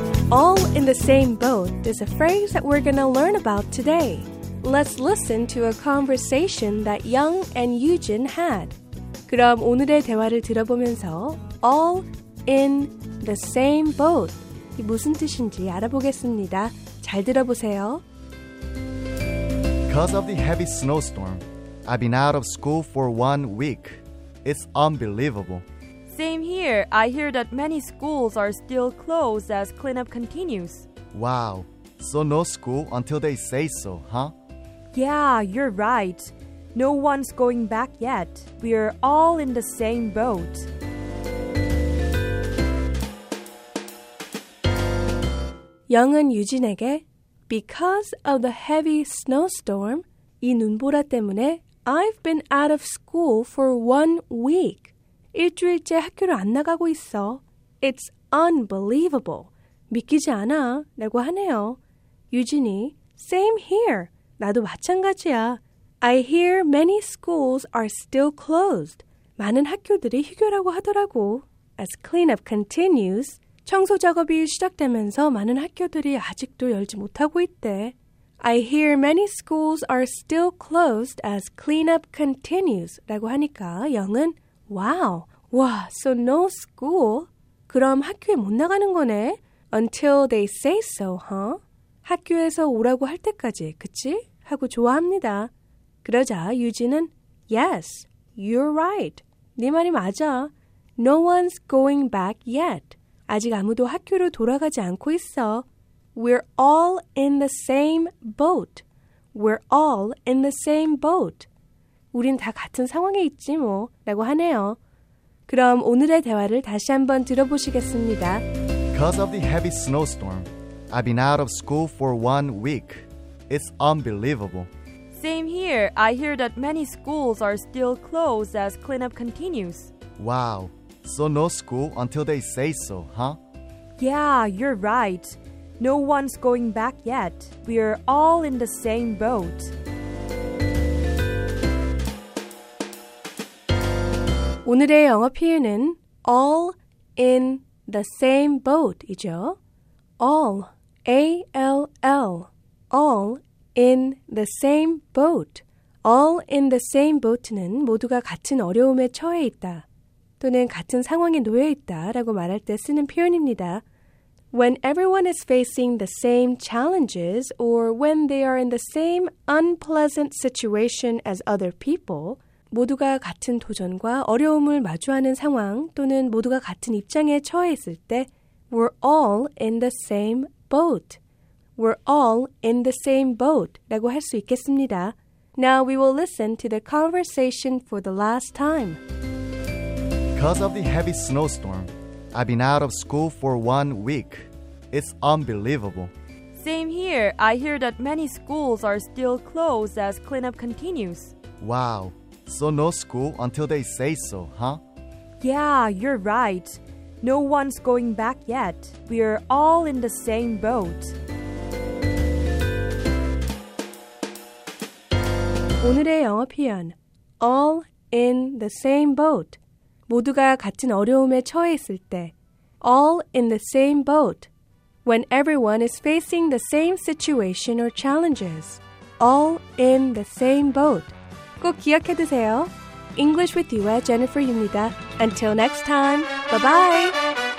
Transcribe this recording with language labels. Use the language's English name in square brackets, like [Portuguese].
[English] 'All in the same boat' is a phrase that we're going to learn about today. Let's listen to a conversation that Young and Eugene had. [Korean] 그럼 오늘의 대화를 들어보면서 [English] 'All in the same boat'이 [Korean] 무슨 뜻인지 알아보겠습니다. 잘 들어보세요. [English] Because of the heavy snowstorm, I've been out of school for 1 week. It's unbelievable. Same here. I hear that many schools are still closed as cleanup continues. Wow. So no school until they say so, huh? Yeah, you're right. No one's going back yet. We're all in the same boat. Young은 유진에게 Because of the heavy snowstorm, [Korean] 이 눈보라 때문에 [English] I've been out of school for 1 week. [Korean] 일주일째 학교를 안 나가고 있어. [English] It's unbelievable. [Korean] 믿기지 않아. 라고 하네요. [English] 유진이, same here. [Korean] 나도 마찬가지야. [English] I hear many schools are still closed. [Korean] 많은 학교들이 휴교라고 하더라고. [English] As cleanup continues, [Korean] 청소 작업이 시작되면서 많은 학교들이 아직도 열지 못하고 있대. [English] I hear many schools are still closed as cleanup continues. [Korean] 라고 하니까 영은, [English] Wow, wow, so no school. [Korean] 그럼 학교에 못 나가는 거네. [English] Until they say so, huh? [Korean] 학교에서 오라고 할 때까지, 그치? 하고 좋아합니다. 그러자 유진은, [English] Yes, you're right. [Korean] 네 말이 맞아. [English] No one's going back yet. [Korean] 아직 아무도 학교로 돌아가지 않고 있어. [English] We're all in the same boat. We're all in the same boat. [Korean] 우린 다 같은 상황에 있지 뭐 라고 하네요. 그럼 오늘의 대화를 다시 한번 들어보시겠습니다. [English] Because of the heavy snowstorm, I've been out of school for 1 week. It's unbelievable. Same here. I hear that many schools are still closed as cleanup continues. Wow. So no school until they say so, huh? Yeah, you're right. No one's going back yet. We're all in the same boat. [Korean] 오늘의 영어 표현은 [English] all in the same boat이죠. All, A-L-L, all in the same boat. All in the same boat [Korean] 는 모두가 같은 어려움에 처해 있다 또는 같은 상황에 놓여 있다라고 말할 때 쓰는 표현입니다. [English] When everyone is facing the same challenges or when they are in the same unpleasant situation as other people, [Korean] 모두가 같은 도전과 어려움을 마주하는 상황 또는 모두가 같은 입장에 처해 있을 때 [English] We're all in the same boat. We're all in the same boat [Korean] 라고 할 수 있겠습니다. [English] Now we will listen to the conversation for the last time. Because of the heavy snowstorm, I've been out of school for 1 week. It's unbelievable. Same here. I hear that many schools are still closed as cleanup continues. Wow. So no school until they say so, huh? Yeah, you're right. No one's going back yet. We're all in the same boat. [Korean] 오늘의 영어 표현, [English] all in the same boat. [Korean] 모두가 같은 어려움에 처해 있을 때, [English] all in the same boat. When everyone is facing the same situation or challenges, all in the same boat. [Korean] 꼭 기억해 두세요. English with you의 Jennifer 유입니다. [English] Until next time, bye-bye!